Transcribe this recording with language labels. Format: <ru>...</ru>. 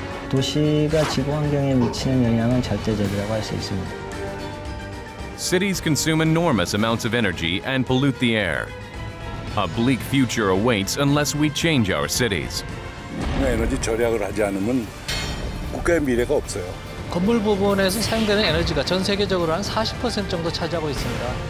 <ko>도시가 지구 환경에 미치는 영향은 절대적이라고 할 수 있습니다.</ko> <en>Cities consume enormous amounts of energy and pollute the air. A bleak future awaits unless we change our cities.</en> <ko>에너지 절약을 하지 않으면 국가의 미래가 없어요. 건물 부분에서 사용되는 에너지가 전 세계적으로 한 40% 정도 차지하고 있습니다.</ko>